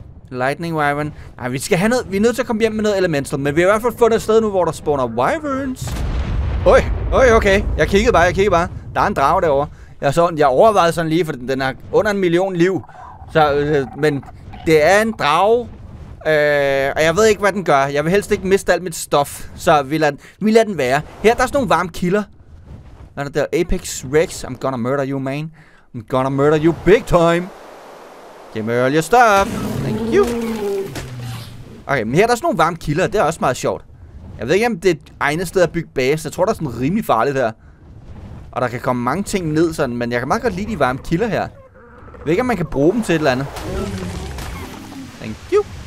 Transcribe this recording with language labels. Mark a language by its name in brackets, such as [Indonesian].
[Danish] Lightning wyvern. Nej, vi skal have noget, vi er nødt til at komme hjem med noget elemental, men vi har i hvert fald fundet et sted nu, hvor der spawner wyverns. Oi, okay. Jeg kiggede bare. Der er en drage derovre. Jeg overvejede sådan lige, for den er under en million liv. Så, men det er en drage. Og jeg ved ikke, hvad den gør. Jeg vil helst ikke miste alt mit stof. Så vi lader den være. Her, der er sådan nogle varme kilder. Hvad er det der? [English] Apex Rex. I'm gonna murder you, man. I'm gonna murder you big time. Give me all your stuff. Thank you. [Danish] Okay, men her der er sådan nogle varme kilder. Det er også meget sjovt. Jeg ved ikke, om det er et egnet sted at bygge base. Jeg tror, der er sådan rimelig farligt her. Og der kan komme mange ting ned sådan. Men jeg kan meget godt lide de varme kilder her. Jeg ved ikke, om man kan bruge dem til et eller andet. [English] Thank you.